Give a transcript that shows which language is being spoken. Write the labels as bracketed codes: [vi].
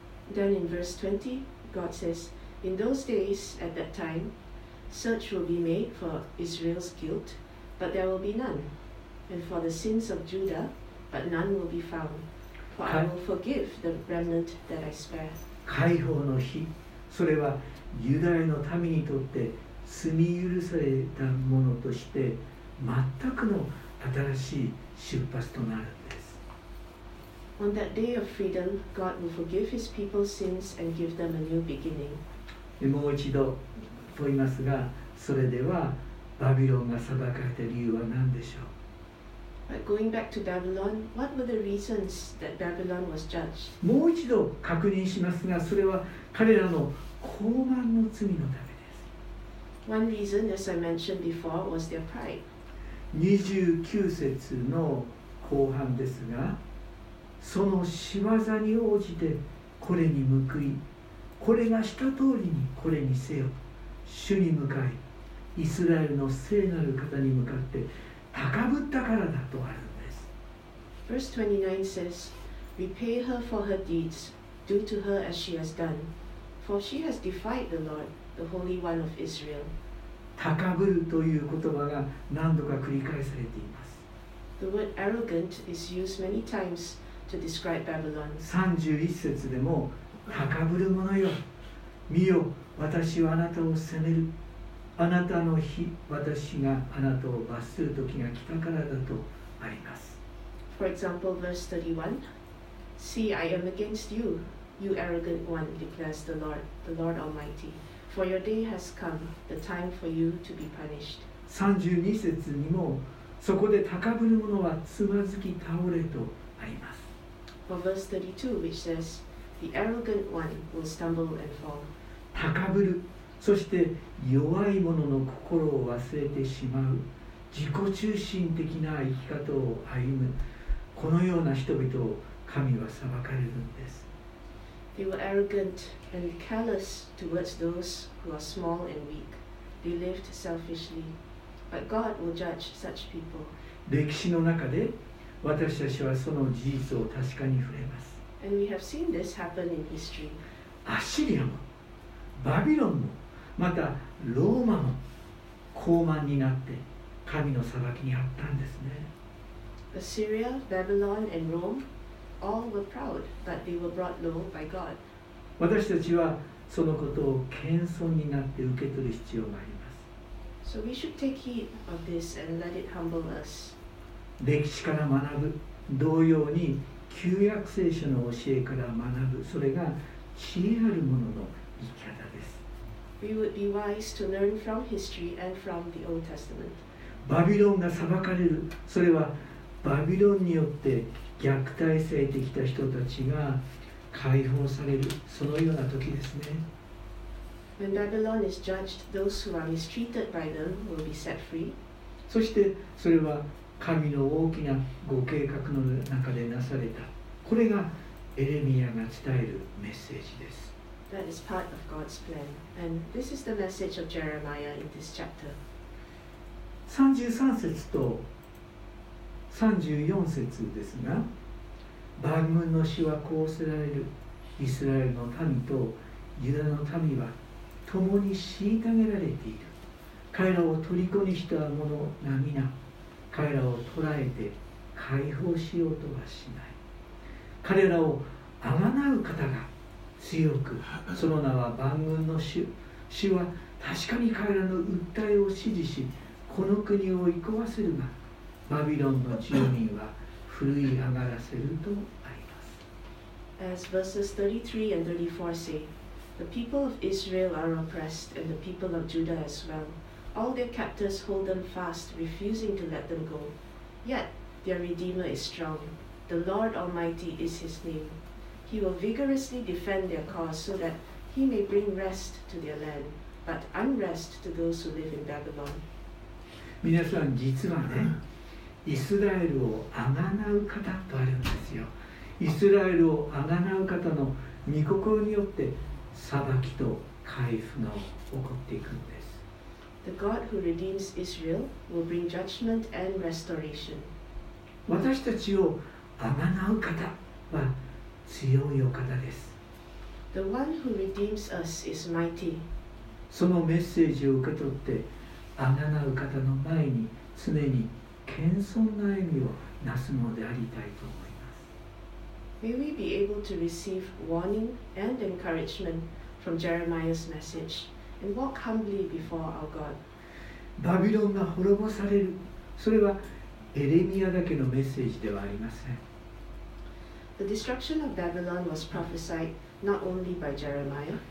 [en] Then in verse 20, God says, In those days, at that time, search will be made for Israel's guilt, but there will be none, and for the sins of Judah, but none will be found, for I will forgive the remnant that I spare. [ja] 解放の日、それはユダヤの民にとって罪許された者として、全くの新しい出発となるんです。 [en] On that day of freedom, God will forgive His people's sins and give them a new beginning. [ja] もう一度問いますが、それではバビロンが裁かれた理由は何でしょう。 [en] But going back to Babylon, what were the reasons that Babylon was judged? [ja] もう一度確認しますが、それは彼らの傲慢の罪のためです。 [en] One reason, as I mentioned before, was their pride. [ja] 29節の後半ですが、その仕業に応じてこれに報い、これがした通りにこれにせよ、主に向かい、イスラエルの聖なる方に向かって高ぶったからだとあるんです。 [en] Verse 29 says, Repay her for her deeds, do to her as she has done, for she has defied the Lord, the Holy One of Israel. [ja] 高ぶるという言葉が何度か繰り返されています。 [en] The word arrogant is used many times to describe Babylon. [ja] 31節でも、高ぶる者よ。見よ、私はあなたを責める。あなたの日、私があなたを罰する時が来たからだとあります。 [en] For example, verse 31. See, I am against you, you arrogant one, declares the Lord Almighty. For your day has come, the time for you to be punished. [ja] 32節にも、そこで高ぶる者はつまずき倒れとあります。 [en] For verse 32, which says, The arrogant one will stumble and fall. [ja] 高ぶる、そして弱い者の心を忘れてしまう、自己中心的な生き方を歩む、このような人々を神は裁かれるんです。 [en] They were arrogant and careless towards those who are small and weak. They lived selfishly. But God will judge such people. [ja] 歴史の中で私たちはその事実を確かに触れます。 [en] And we have seen this happen in history. [ja] アシリアも、バビロンも、またローマも、高慢になって神の裁きにあったんですね。 [en] Assyria, Babylon, and Rome. All were proud, but they were brought low by God. [ja] 私たちはそのことを謙遜になって受け取る必要があります。 [en] So we should take heed of this and let it humble us. [ja] 歴史から学ぶ、同様に旧約聖書の教えから学ぶ、それが知恵ある者の生き方です。 [en] We would be wise to learn from history and from the Old Testament. [ja] バビロンが裁かれる、それはバビロンによって虐待されてきた人たちが解放される、そのような時ですね。 [en] When Babylon is judged, those who are mistreated by them will be set free. [ja] そしてそれは神の大きなご計画の中でなされた。これがエレミアが伝えるメッセージです。 [en] That is part of God's plan, and this is the message of Jeremiah in this chapter. [ja] 33節と34節ですが、万軍の主はこうせられる。イスラエルの民とユダの民は共に虐げられている。彼らを虜にした者は皆、彼らを捕らえて解放しようとはしない。彼らをあがなう方が強く、その名は万軍の主。主は確かに彼らの訴えを支持し、この国を生き壊せるが、バビロンの住民は奮い上がらせるとあります。 [en] As verses 33 and 34 say, The people of Israel are oppressed, and the people of Judah as well. All their captors hold them fast, refusing to let them go. Yet their Redeemer is strong. The Lord Almighty is his name. He will vigorously defend their cause so that he may bring rest to their land, but unrest to those who live in Babylon. [ja] 皆さん、実はね、イスラエルをあがなう方とあるんですよ。イスラエルをあがなう方の御心によって裁きと回復が起こっていくんです。 [en] The God who redeems Israel will bring judgment and restoration. [ja] 私たちをあがなう方は強いお方です。 [en] The one who redeems us is mighty. [ja] そのメッセージを受け取って、あがなう方の前に常に謙遜な笑みをなすものでありたいと思います。 [en] May we be able to receive warning and encouragement from Jeremiah's message and walk humbly before our God. [ja] バビロンが滅ぼされる、それはエレミアだけのメッセージではありません。 [en] The destruction of Babylon was prophesied not only by Jeremiah.